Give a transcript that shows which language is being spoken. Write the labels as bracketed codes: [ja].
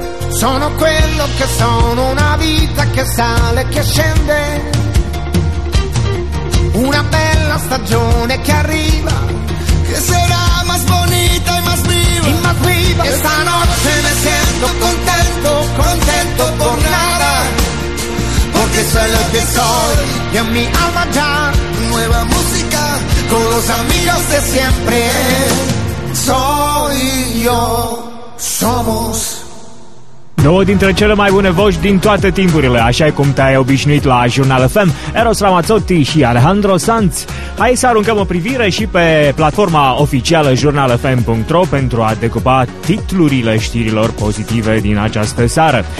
[it] Sono quello che sono, una vita che sale, che scende, una bella stagione che arriva, che sarà [es] más bonita [it] e más viva, e [es] más [it] viva. E stanotte [es] me siento contento, contento por nada, porque soy lo que soy, y en mi alma ya, nueva música, con los amigos de siempre, soy yo, somos. [ro] Două dintre cele mai bune voci din toate timpurile, așa cum te-ai obișnuit la Jurnal FM, Eros Ramazzotti și Alejandro Sanz. Hai să aruncăm o privire și pe platforma oficială jurnalfm.ro pentru a decupa titlurile știrilor pozitive din această seară.